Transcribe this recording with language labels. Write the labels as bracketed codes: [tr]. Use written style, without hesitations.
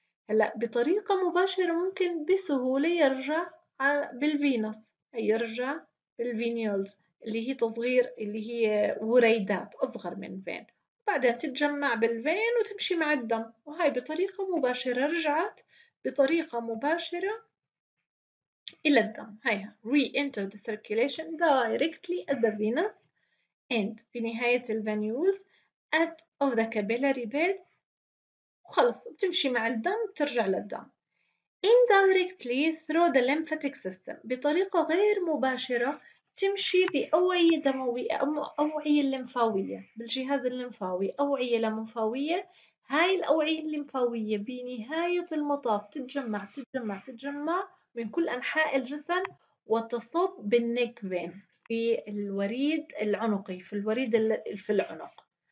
[ar] هلأ بطريقة مباشرة ممكن بسهولة يرجع بالفينوس، يرجع بالفينيولز اللي هي تصغير، اللي هي وريدات أصغر من فين، بعدها تتجمع بالفين وتمشي مع الدم، وهي بطريقة مباشرة رجعت بطريقة مباشرة إلى الدم. هيها [en] re-enter the circulation directly at the venous and [ar] بنهاية الفينيولز [en] at of the capillary bed [ar] وخلص بتمشي مع الدم بترجع للدم. [en] Indirectly through the lymphatic system [ar] بطريقة غير مباشرة تمشي بأوعية دموية أو أوعية لمفاوية بالجهاز اللمفاوي، أوعية لمفاوية. هاي الأوعية اللمفاوية بنهاية المطاف تتجمع تتجمع تتجمع من كل أنحاء الجسم وتصب بالنيك فين في الوريد العنقي، في الوريد في العنق.